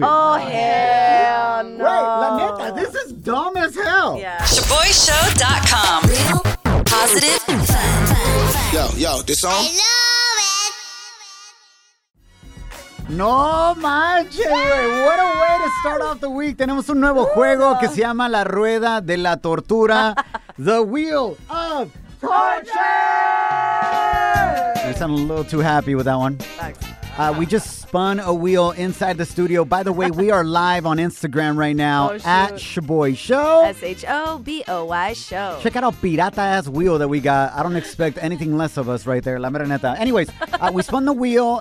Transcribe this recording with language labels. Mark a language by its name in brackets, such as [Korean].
[English] Oh, hell no. Wait, [Spanish] la neta, [English] this is dumb as hell. Yeah. ShoboyShow.com. Positive. Yo, this song? I love it. [Spanish] No manches, güey. [English] What a way to start off the week. [Spanish] Tenemos un nuevo juego que se llama La Rueda de la Tortura. [English] The Wheel of Torture. You sound a little too happy with that one. Thanks. We just spun a wheel inside the studio. By the way, we are live on Instagram right now at Shoboy Show. S-H-O-B-O-Y Show. Check out our pirata-ass wheel that we got. I don't expect anything less of us right there. La Mereneta. Anyways, we spun the wheel.